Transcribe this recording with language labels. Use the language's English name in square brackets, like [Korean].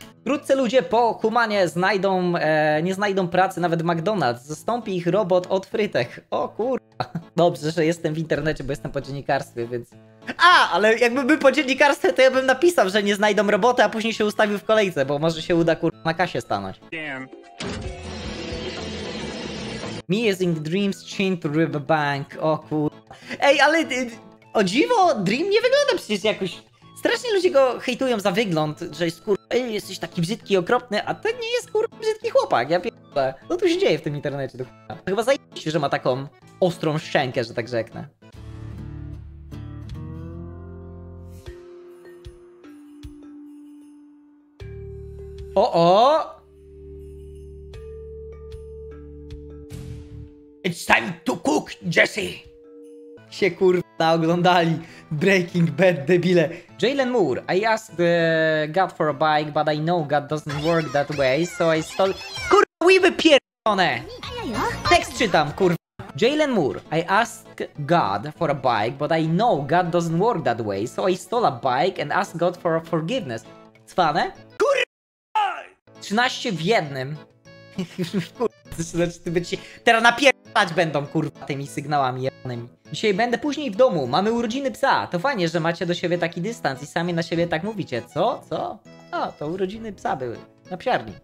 [Polish] Wkrótce ludzie po humanie znajdą, nie znajdą pracy nawet w McDonald's. Zastąpi ich robot od frytek. O kurwa. Dobrze, że jestem w internecie, bo jestem po dziennikarstwie, więc... A, ale jakby był po dziennikarstwie, to ja bym napisał, że nie znajdą roboty, a później się ustawił w kolejce, bo może się uda, kurwa, na kasie stanąć. [English] Damn. Me is in Dream's chained to riverbank. [Polish] O kurwa. Ej, ale o dziwo, Dream nie wygląda przecież jakoś... Strasznie ludzie go hejtują za wygląd, że jest kurwa, jesteś taki brzydki, okropny, a ten nie jest kurwa brzydki chłopak, ja pierdolę. Co tu się dzieje w tym internecie, do kurwa? To chyba zajebiście, że ma taką ostrą szczękę, że tak rzeknę. O-o! [English] It's time to cook, Jesse! [Polish] Się kurwa oglądali Breaking Bad, debile. [English] Jalen Moore, I asked God for a bike, but I know God doesn't work that way, so I stole... [Polish] Kurwa, łyby pierdolone! Tekst czytam, kurwa. [English] Jalen Moore, I asked God for a bike, but I know God doesn't work that way, so I stole a bike and asked God for forgiveness. [Polish] Cwane? Kurwa! 13 w jednym. Kurwa, teraz napierdalać będą, kurwa, tymi sygnałami jebanymi. Dzisiaj będę później w domu, mamy urodziny psa. To fajnie, że macie do siebie taki dystans i sami na siebie tak mówicie. Co? Co? O, to urodziny psa były. Na psiarni.